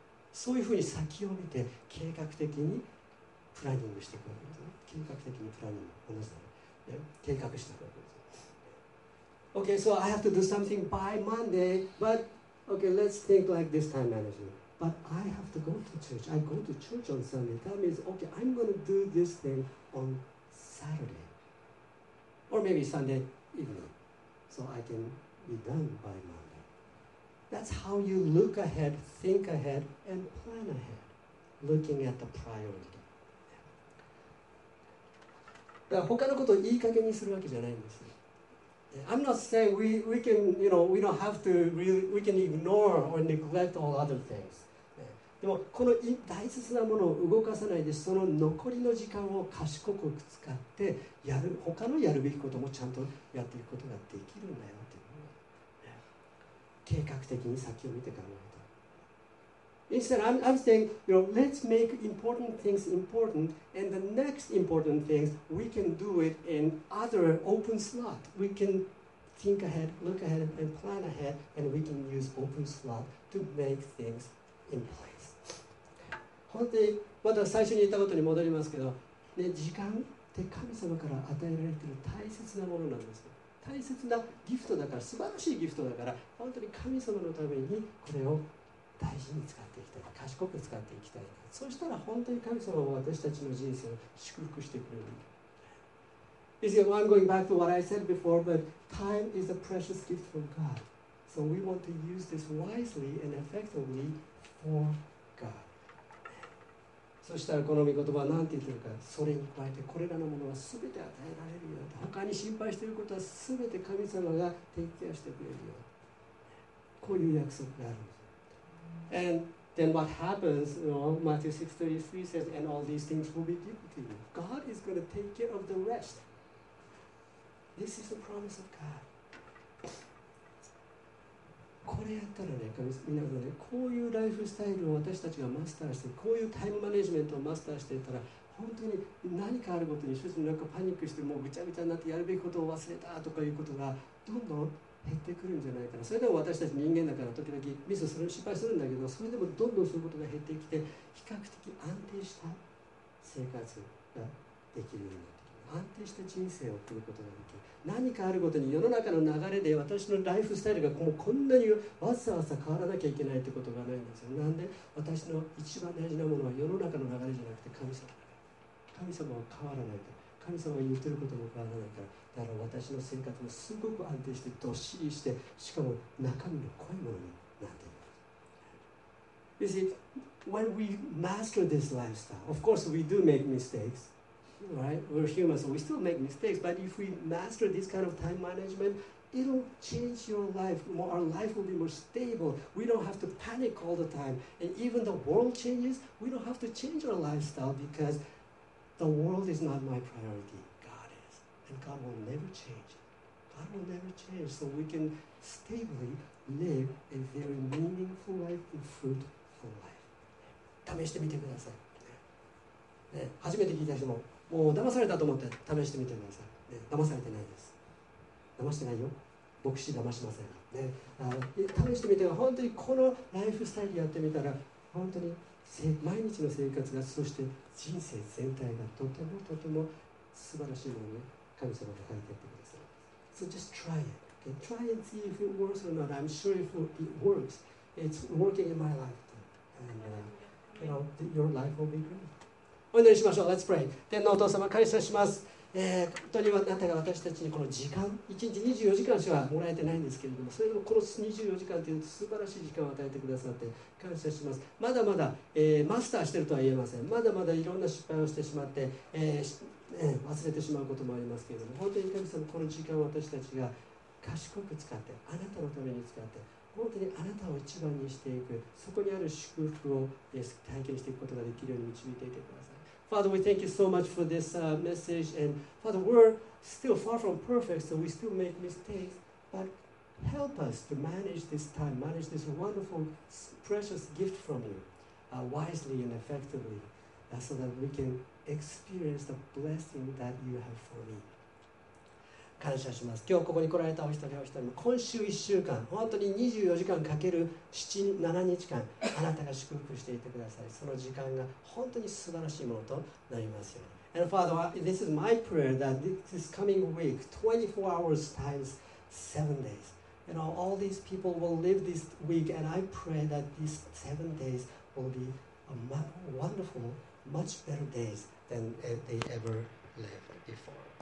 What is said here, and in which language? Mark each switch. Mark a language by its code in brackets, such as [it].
[ja] そういうふうに先を見て計画的にプランニングしていくわけですね。計画的にプランニング、同じだね。計画していくわけです [en] Okay, so I have to do something by Monday, but okay, let's think like this time management. But I have to go to church. I go to church on Sunday. That means, okay, I'm going to do this thing on Saturday. Or maybe Sunday evening. So I can be done by Monday. That's how you look ahead, think ahead, and plan ahead. Looking at the priority. [ja] だから他のことをいい加減にするわけじゃないんですよ。 [en] I'm not saying we can, you know, we don't have to really, we can ignore or neglect all other things. [ja] でもこの大切なものを動かさないで、その残りの時間を賢く使って、他のやるべきこともちゃんとやっていくことができるんだよっていう。計画的に先を見て考えた。 [en] Instead, I'm saying, you know, let's make important things important, and the next important things, we can do it in other open slot. We can think ahead, look ahead, and plan ahead, and we can use open slot to make things in place. [ja] 本当にまた最初に言ったことに戻りますけど、ね、時間って神様から与えられている大切なものなんですよ。大切なギフトだから、素晴らしいギフトだから、本当に神様のためにこれを大事に使っていきたい、賢く使っていきたい。そしたら本当に神様は私たちの人生を祝福してくれる。 [en] You see, I'm going back to what I said before, but time is a precious gift from God. So we want to use this wisely and effectively for God. [ja] そしたらこの御言葉は何て言ってるか、それに加えてこれらのものは全て与えられるよ。他に心配していることは全て神様が提供してくれるよ。こういう約束があるんです。 [en] And then what happens? You know, Matthew 6:33 says, "And all these things will be given to you." God is going to take care of the rest. This is the promise of God. [ja] これやったらね、皆さんね、こういうライフスタイルを私たちがマスターして、こういうタイムマネジメントをマスターしていたら、本当に何かあるごとに一つなんかパニックしてもうぐちゃぐちゃになってやるべきことを忘れたとかいうことがどんどん減ってくるんじゃないかな。それでも私たち人間だから時々ミスする失敗するんだけど、それでもどんどんそういうことが減ってきて、比較的安定した生活ができるようになってきて、安定した人生を送ることができる。何かあるごとに世の中の流れで私のライフスタイルがもうこんなにわざわざ変わらなきゃいけないってことがないんですよ。なんで私の一番大事なものは世の中の流れじゃなくて神様。神様は変わらないから、神様が言ってることも変わらないから、だから私の生活もすごく安定してどっしりして、しかも中身の濃いものになっています。 [en] You see, when we master this lifestyle, of course we do make mistakes, right? We're human, so we still make mistakes, but if we master this kind of time management, it'll change your life. Our life will be more stable. We don't have to panic all the time. And even the world changes, we don't have to change our lifestyle becauseThe world is not my priority. God is. And God will never change. God will never change. So we can stably live a very meaningful life, a fruitful life. [ja] 試してみてください。ね、初めて聞いた人も、もう騙されたと思って試してみてください。ね、騙されてないです。騙してないよ。牧師騙しません。ね、試してみて、本当にこのライフスタイルやってみたら、本当に毎日の生活が、そして人生全体がとてもとても素晴らしいものに神様が書いてあってください。 [en] So just try it. Okay? Try and see if it works or not. I'm sure if it works, it's working in my life. And you know, your life will be great. [ja] お祈りしましょう。 [en] Let's pray. [ja] 天のお父様、感謝します。本当にあなたが私たちにこの時間、1日24時間しかもらえてないんですけれども、それでもこの24時間という素晴らしい時間を与えてくださって感謝します。まだまだ、マスターしているとは言えません。まだまだいろんな失敗をしてしまって、忘れてしまうこともありますけれども、本当に神様、この時間を私たちが賢く使って、あなたのために使って、本当にあなたを一番にしていく、そこにある祝福を体験していくことができるように導いていてください。 [en] Father, we thank you so much for this message. And Father, we're still far from perfect, so we still make mistakes. But help us to manage this time, manage this wonderful, precious gift from you wisely and effectively so that we can experience the blessing that you have for me. [ja] 感謝します。今日ここに来られたお一人お一人も、今週1週間、本当に24時間かける7、7日間、あなたが祝福していてください。その時間が本当に素晴らしいものとなりますように。 [en] And Father, this is my prayer that this coming week, 24 hours times 7 days, you know, all these people will live this week, and I pray that these 7 days will be a wonderful, much better days than they ever lived before.